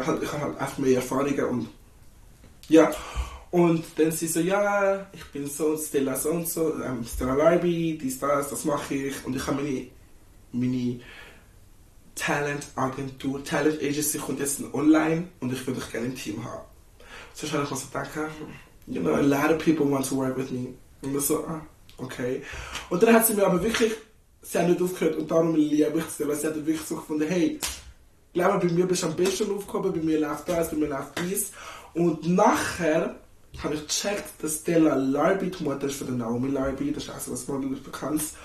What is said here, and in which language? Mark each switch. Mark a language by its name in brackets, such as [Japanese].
[German] Ich habe halt einfach mehr Erfahrungen und ja. Und dann sie so, ja, ich bin so und Stella so und so, Stella Leiby, dies, das, das mache ich. Und ich habe meine Talent-Agentur, Talent-Agency kommt jetzt online und ich würde dich gerne im Team haben. Sonst habe ich mir so gedacht, [English] you know, a lot of people want to work with me. [German] Und ich so, ah, okay. Und dann hat sie mir aber wirklich, sie hat nicht aufgehört und darum liebe ich sie, weil sie hat wirklich so gefunden, hey, glaub mir, bei mir bist du am besten aufgekommen, bei mir läuft das, bei mir läuft dies. Und nachher habe ich gecheckt, dass Stella Leiby die Mutter ist von der Naomi Leiby, das ist auch so was Model bekannt.